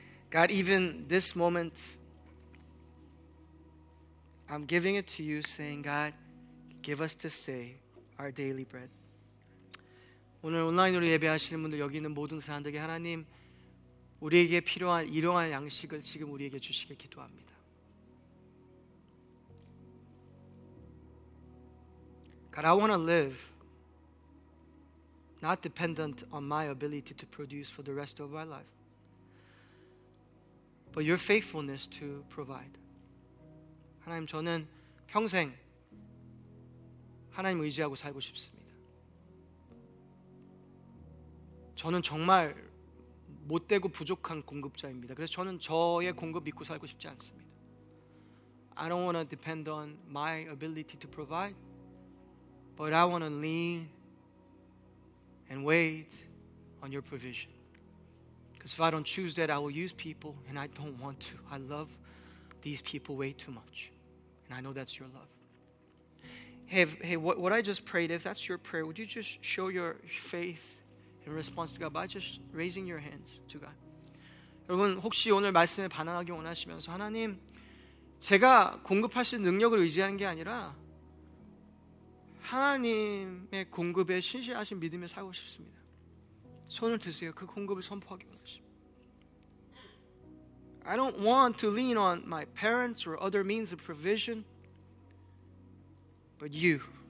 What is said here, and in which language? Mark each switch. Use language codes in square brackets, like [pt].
[en] God, even this moment, I'm giving it to you saying, God, give us this day our daily bread. [ko] 오늘 온라인으로 예배하시는 분들, 여기 있는 모든 사람들에게 하나님, 우리에게 필요한 일용할 양식을 지금 우리에게 주시길 기도합니다. [en] God, I want to live not dependent on my ability to produce for the rest of my life, but your faithfulness to provide. [ko] 하나님, 저는 평생 하나님 의지하고 살고 싶습니다. 저는 정말 못되고 부족한 공급자입니다. 그래서 저는 저의 공급 믿고 살고 싶지 않습니다. [en] I don't want to depend on my ability to provide, but I want to lean and wait on your provision. Because if I don't choose that, I will use people, and I don't want to. I love these people way too much. And I know that's your love. Hey, what I just prayed, if that's your prayer, would you just show your faith in response to God by just raising your hands to God? [ko] 여러분, 혹시 오늘 말씀에 반응하기 원하시면서 하나님, 제가 공급하실 능력을 의지하는 게 아니라 하나님의 공급에 신실하신 믿음에 살고 싶습니다. 손을 드세요. 그 공급을 선포하기 원하십니다. [en] I don't want to lean on my parents or other means of provision, but you.